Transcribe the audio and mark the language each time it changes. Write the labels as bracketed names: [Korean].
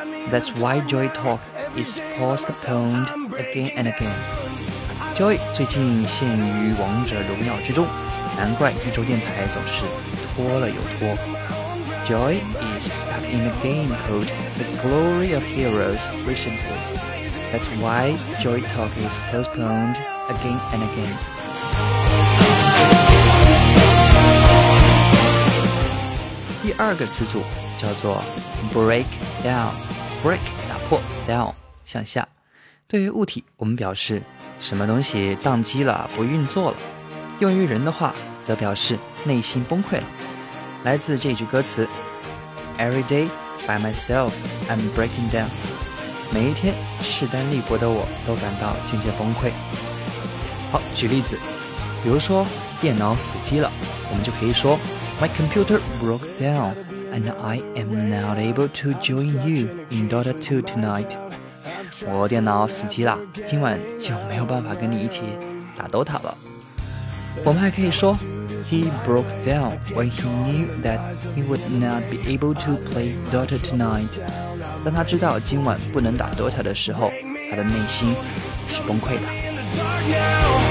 [English] That's why Joy Talk is postponed again and again. [Chinese] Joy 最近陷于王者荣耀之中，难怪一周电台总是拖了又拖。 [English] Joy is stuck in the game called The Glory of Heroes recentlyThat's why Joy Talk is postponed again and again. [Chinese] 第二个词组叫做 break down. Break 打破， down 向下。对于物体，我们表示什么东西宕机了，不运作了。用于人的话，则表示内心崩溃了。来自这句歌词 [English] ：Every day by myself, I'm breaking down. [Chinese] 每一天势单力薄的我都感到渐渐崩溃。好，举例子，比如说电脑死机了，我们就可以说 [English] My computer broke down and I am not able to join you in Dota 2 tonight. [Chinese] 我电脑死机了，今晚就没有办法跟你一起打 Dota 了。我们还可以说 [English] He broke down when he knew that he would not be able to play Dota tonight. [Chinese] 当他知道今晚不能打 Dota 的时候，他的内心是崩溃的。